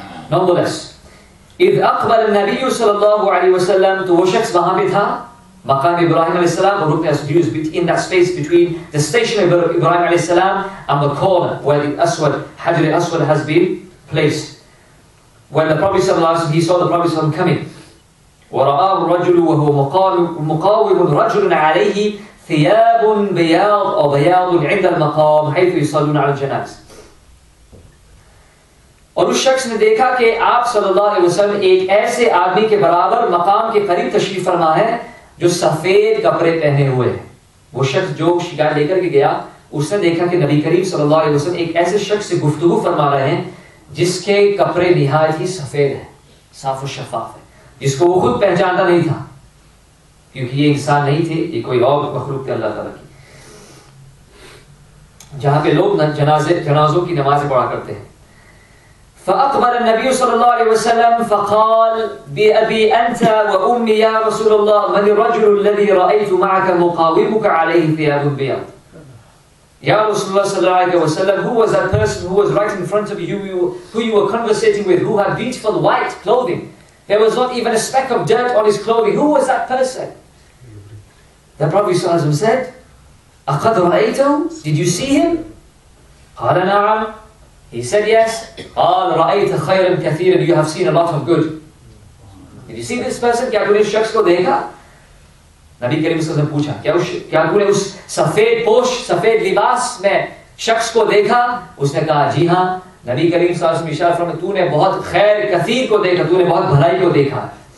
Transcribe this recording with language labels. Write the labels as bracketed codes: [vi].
[en] Nonetheless, [ar] اِذْ أَقْبَلَ النَّبِيُّ [en] صلی اللہ علیہ وسلم, [ur] تو وہ شخص وہاں بھی تھا مقام ابراہیم علیہ السلام, رکن اسود, [en] in that space between the station of Ibrahim علیہ السلام and the corner where the اسود, حجر اسود has been placed. When the Prophet صلی اللہ علیہ وسلم, he saw the Prophet صلی اللہ علیہ وسلم coming. [ar] وَرَآهُ الرَّجُلُ وَهُوَ مُقَاوِمٌ رَجُلٌ عَلَيْهِ ثِيَابٌ بِيَاضٌ أَوْ بَيَاضٌ عِنْدَ الْمَقَامِ حَيْثُ يُصَلُّونَ عَلَى الْجَنَازِ. [ur] اور اس شخص نے دیکھا کہ آپ صلی اللہ علیہ وسلم ایک ایسے آدمی کے برابر مقام کے قریب تشریف فرما ہے جو سفید کپڑے پہنے ہوئے ہیں. وہ شخص جو شکایت لے کر کے گیا, اس نے دیکھا کہ نبی کریم صلی اللہ علیہ وسلم ایک ایسے شخص سے گفتگو فرما رہے ہیں جس کے کپڑے نہایت ہی سفید ہیں, صاف و شفاف ہیں, جس کو وہ خود پہچانتا نہیں تھا, کیونکہ یہ انسان نہیں تھے, یہ کوئی اور مخلوق تھے اللہ تعالیٰ کی, جہاں پہ لوگ جنازوں کی نمازیں پڑھا کرتے ہیں. [ar] فأقبل النبي صلى الله عليه وسلم فقال بأبي أنت وأمي يا رسول الله من الرجل الذي رأيت معك مقاومك عليه ثياب بيض. [en] يا رسول الله صلى الله عليه وسلم, who was that person who was right in front of you, who you were conversating with, who had beautiful white clothing, there was not even a speck of dirt on his clothing, who was that person? The Prophet صلى الله عليه وسلم said, [ar] أقد رأيته, [en] did you see him? [ar] قال نعم. [en] He said yes. [ar] قال رأيت خيرا كثيرا, [en] you have seen a lot of good. Did you see this person? [ur] کیا تو نے اس شخص کو دیکھا؟ نبی کریم صلی اللہ علیہ وسلم پوچھا, کیا تو نے اس سفید پوش, سفید لباس میں شخص کو دیکھا؟ اس نے کہا جی ہاں, نبی کریم صلی اللہ علیہ وسلم اشارہ فرمایا, تو نے بہت خیر کثیر کو دیکھا, تو نے بہت بھلائی کو دیکھا.